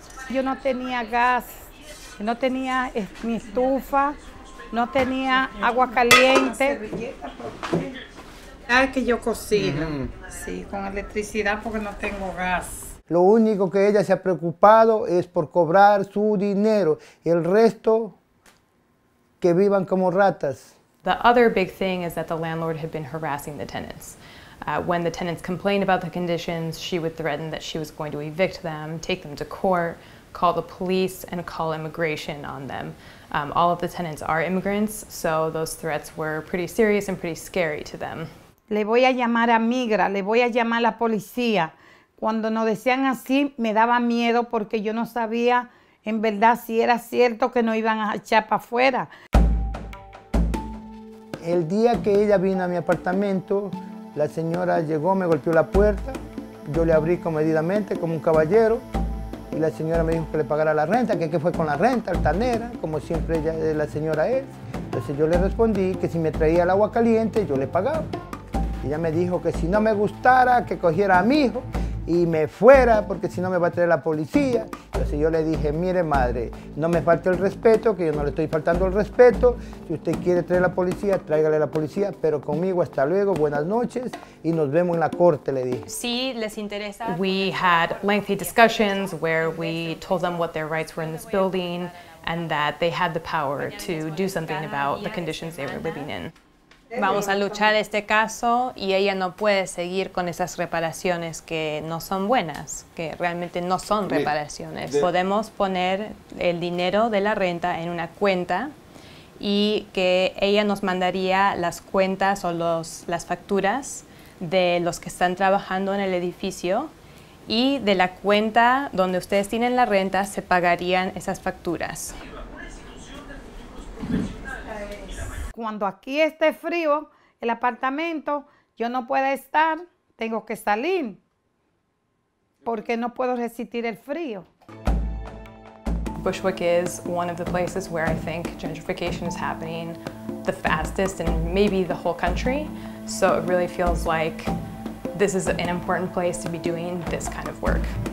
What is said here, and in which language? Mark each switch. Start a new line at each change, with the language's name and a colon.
Spanish: Yo no tenía gas, no tenía mi estufa, no tenía agua caliente. Ay, que yo cocino. Sí, con electricidad porque no tengo gas. Lo único que ella se ha preocupado es por cobrar su dinero. Y el resto, que vivan como ratas.
English: The other big thing is that the landlord had been harassing the tenants. When the tenants complained about the conditions, she would threaten that she was going to evict them, take them to court, call the police, and call immigration on them. All of the tenants are immigrants, so those threats were pretty serious and pretty scary to them.
Spanish: Le voy a llamar a migra, le voy a llamar a la policía. Cuando nos decían así, me daba miedo porque yo no sabía en verdad si era cierto que nos iban a echar para afuera. El día que ella vino a mi apartamento, la señora llegó, me golpeó la puerta, yo le abrí comedidamente como un caballero y la señora me dijo que le pagara la renta, que qué fue con la renta, altanera, como siempre ella, la señora es. Entonces yo le respondí que si me traía el agua caliente, yo le pagaba. Ella me dijo que si no me gustara, que cogiera a mi hijo y me fuera, porque si no me va a traer la policía. Entonces yo le dije, mire madre, no me falte el respeto, que yo no le estoy faltando el respeto. Si usted quiere traer la policía, tráigale la policía, pero conmigo hasta luego, buenas noches, y nos vemos en la corte, le dije. Sí, les interesa.
English: We had lengthy discussions where we told them what their rights were in this building and that they had the power to do something about the conditions they were living in.
Spanish: Vamos a luchar este caso y ella no puede seguir con esas reparaciones que no son buenas, que realmente no son reparaciones. Podemos poner el dinero de la renta en una cuenta y que ella nos mandaría las cuentas o las facturas de los que están trabajando en el edificio y de la cuenta donde ustedes tienen la renta se pagarían esas facturas. Cuando aquí esté frío, el apartamento, yo no puedo estar, tengo que salir, porque no puedo resistir el frío.
English: Bushwick is one of the places where I think gentrification is happening the fastest and maybe the whole country. So it really feels like this is an important place to be doing this kind of work.